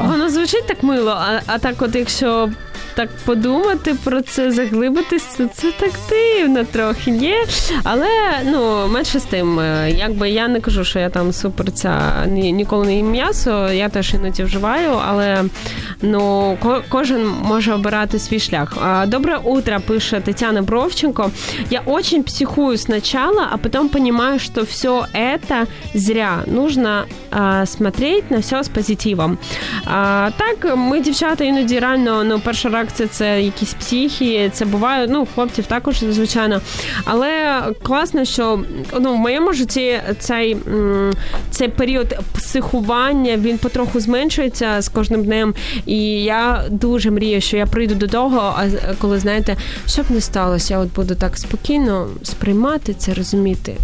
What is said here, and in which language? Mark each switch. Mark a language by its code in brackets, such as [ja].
[uk] Воно звучить так мило, а так от якщо так подумати про це, заглибитись, це так дивно трохи є. Але, ну, менше з тим. Якби я не кажу, що я там супер ця, ніколи не їм м'ясо, я теж іноді вживаю, але, ну, кожен може обирати свій шлях. [ru] Добре утро, [uk] пише [ru] Тетяна Бровченко. Я очень психую сначала, а потом понимаю, що все это зря. Нужно смотреть на все с позитивом. [uk] Так, ми, дівчата, іноді реально, ну, перший раз реакція, це якісь психі, це буває, ну, хлопців також, звичайно. Але класно, що, ну, в моєму житті цей період психування, він потроху зменшується з кожним днем, і я дуже мрію, що я прийду до того, коли, знаєте, щоб не сталося, я от буду так спокійно сприймати це, розуміти.